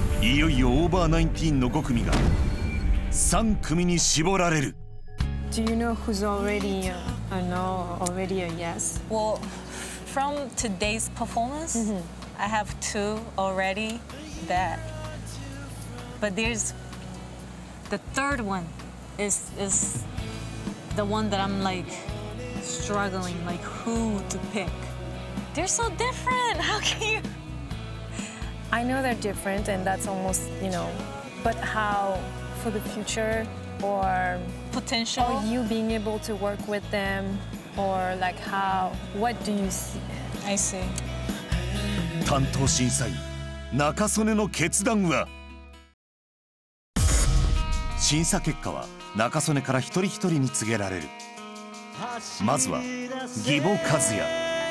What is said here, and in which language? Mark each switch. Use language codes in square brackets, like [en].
[ja] いよいよオーバーナインティーンの5組が3組に絞られる。 [en] Do you know who's already a no? Already a yes? Well, from today's performance, I have two already that. But there's the third one is the one that I'm like struggling, like who to pick. They're so different. How can you? I know they're different, and that's almost, you know, but how for the future or potential, or you being able to work with them, or like how, what do you see? I see. [ja] 担当審査員中曽根の決断は、審査結果は中曽根から一人一人に告げられる。まずは義母和也。